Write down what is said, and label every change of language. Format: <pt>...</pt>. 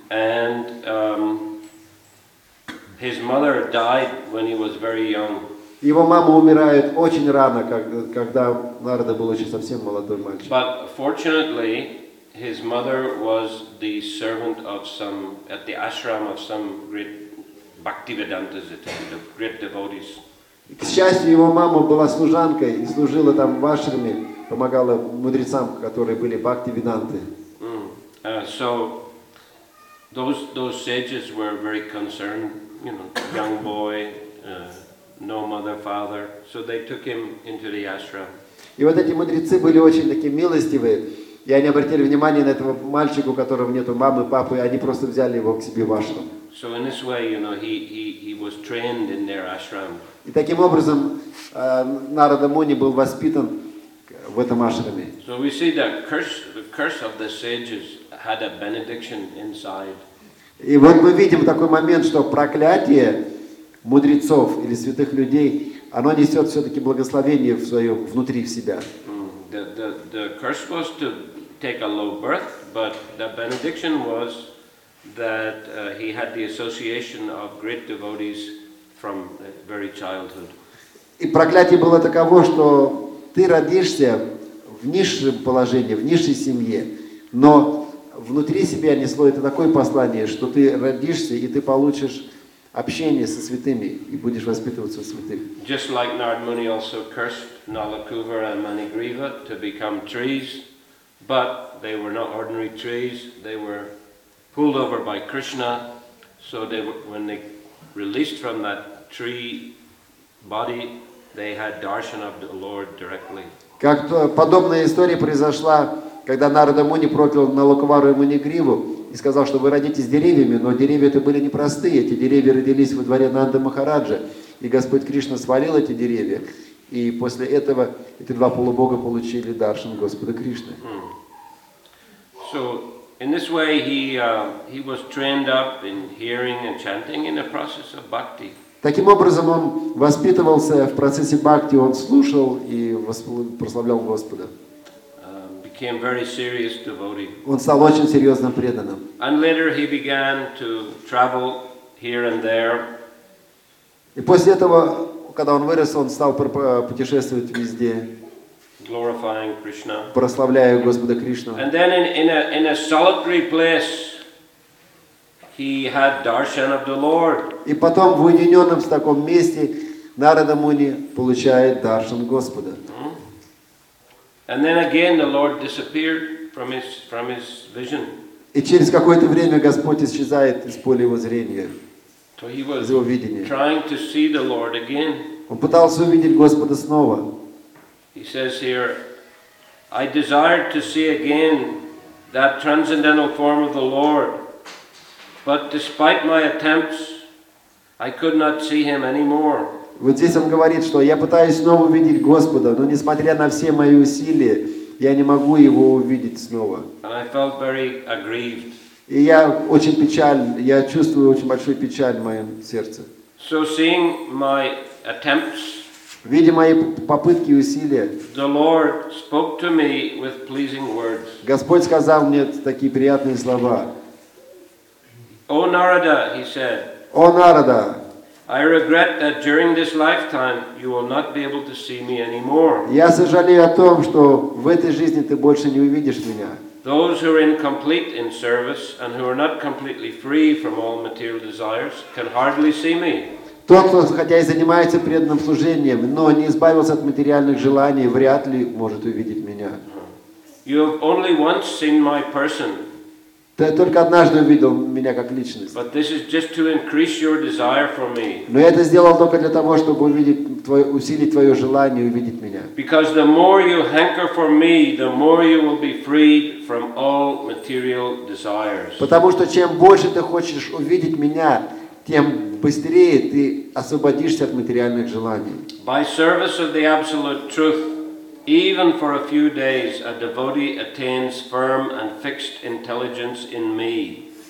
<en>And his mother died when he was very young.</en> <ru>Его мама умирает очень рано, когда Нарада был еще совсем молодой мальчик.</ru> <en>But fortunately, his mother was the servant of some at the ashram of some great Bhaktivedantas, the great devotees.</en> <ru>К счастью, его мама была служанкой и служила там в ашраме, помогала мудрецам, которые были Бхактивиданты.</ru> <en>So those sages were very concerned, you know, young boy, no mother, father. So they took him into the ashram.</en> <ru>И вот эти мудрецы были очень такие милостивые. И они обратили внимание на этого мальчика, у которого нету мамы, папы, и они просто взяли его к себе в ашрам.</ru> <en>So in this way, you know, he was trained in their ashram.</en> <ru>И таким образом Нарада Муни был воспитан в этом ашраме.</ru> <en>So we see that the curse of the sages had a benediction inside.</en> <ru>И вот мы видим такой момент, что проклятие мудрецов или святых людей, оно несет все-таки благословение в своем внутри в себя.</ru> <en>The curse was to take a low birth, but the benediction was that he had the association of great devotees from very childhood.</en> <ru>И проклятие было таково, что ты родишься в низшем положении, в низшей семье, но внутри себя несло это такое послание, что ты родишься и ты получишь общение со святыми и будешь воспитываться в святых.</ru> <en>Just like Narad Muni also cursed Nalakuva and Manigriva to become trees, but they were not ordinary trees. They were pulled over by Krishna, so they were, when they released from that tree body, they had darshan of the Lord directly.</en> <ru>Как подобная история произошла, когда Нарада Муни проклял Налакувару и Манигриву и сказал, что вы родитесь деревьями, но деревья-то были непростые. Эти деревья родились во дворе Нанды Махараджа, и Господь Кришна свалил эти деревья, и после этого эти два полубога получили даршан Господа Кришны.</ru> <en>So in this way he was trained up in hearing and chanting in the process of bhakti.</en> <ru>Таким образом он воспитывался в процессе бхакти, он слушал и прославлял Господа.</ru> <en>Became very serious devotee.</en> <ru>Он стал очень серьезным преданным.</ru> <en>And later he began to travel here and there.</en> <ru>И после этого, когда он вырос, он стал путешествовать везде.</ru> <en>Glorifying Krishna.</en> <ru>Прославляя Господа Кришну.</ru> <en>And then in a solitary place, he had darshan of the Lord.</en> <ru>И потом в уединенном в таком месте Нарада Муни получает даршан Господа.</ru> <en>And then again the Lord disappeared from his vision.</en> <ru>И через какое-то время Господь исчезает из поля его зрения.</ru> <en>So he was trying to see the Lord again.</en> <ru>Он пытался увидеть Господа снова.</ru> <en>He says here, I desired to see again that transcendental form of the Lord, but despite my attempts, I could not see him anymore.</en> <ru>Вот здесь он говорит, что я пытаюсь снова увидеть Господа, но несмотря на все мои усилия, я не могу его увидеть снова.</ru> <en>And I felt very aggrieved.</en> <ru>И я очень печален, я чувствую очень большую печаль в моем сердце.</ru> <en>So seeing my attempts,</en> <ru>видя мои попытки и усилия,</ru> <en>the Lord spoke to me with pleasing words.</en> <ru>Господь сказал мне такие приятные слова.</ru> <en>O Narada, he said.</en> <ru>О, Нарада!</ru> <en>I regret that during this lifetime you will not be able to see me anymore.</en> <ru>Я сожалею о том, что в этой жизни ты больше не увидишь меня.</ru> <en>Those who are incomplete in service and who are not completely free from all material desires can hardly see me.</en> <ru>Тот, кто хотя и занимается преданным служением, но не избавился от материальных желаний, вряд ли может увидеть меня.</ru> <en>You have only once seen my person.</en> <ru>Ты только однажды увидел меня как личность.</ru> <en>But this is just to increase your desire for me.</en> <ru>Но я это сделал только для того, чтобы увидеть твое, усилить твое желание увидеть меня.</ru> <en>Because the more you hanker for me, the more you will be freed from all material desires.</en> <ru>Потому что чем больше ты хочешь увидеть меня, тем быстрее ты освободишься от материальных желаний.</ru> <en>By service of the absolute truth. Even for a few days, a devotee attains firm and fixed intelligence in me.</en>